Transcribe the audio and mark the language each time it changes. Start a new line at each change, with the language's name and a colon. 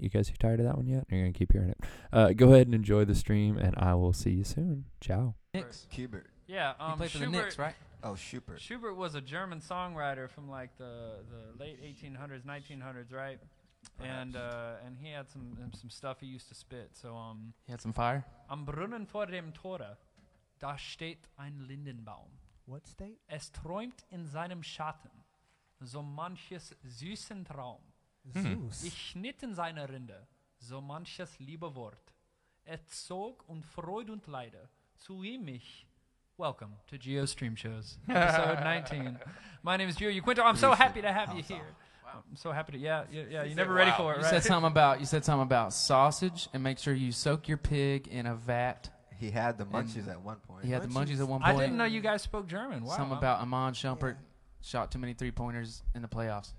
English: You guys are tired of that one yet? You're going to keep hearing it. Go ahead and enjoy the stream, and I will see you soon. Ciao. Knicks. Kubert. Yeah. You played Schubert for the Knicks, right? Oh, Schubert. Schubert was a German songwriter from like the late 1800s, 1900s, right? Perhaps. And he had some stuff he used to spit. So he had some fire?
German: Am Brunnen vor dem Tore, da steht ein Lindenbaum.
English: What state?
German: Es träumt in seinem Schatten so manches süßen Traum. Süß. Ich schnitt in seiner Rinde so manches liebe Wort. Er zog und Freud und Leide zu ihm mich.
English: Welcome to Geo Stream Shows, episode 19. My name is Gio Yaquinto. I'm so happy to have you here. I'm so happy to, you're never ready for it, right? You said something about sausage, and make sure you soak your pig in a vat. He had the munchies at one point. He had the munchies at one point. I didn't know you guys spoke German. Wow. Something about Iman Shumpert shot too many three-pointers in the playoffs.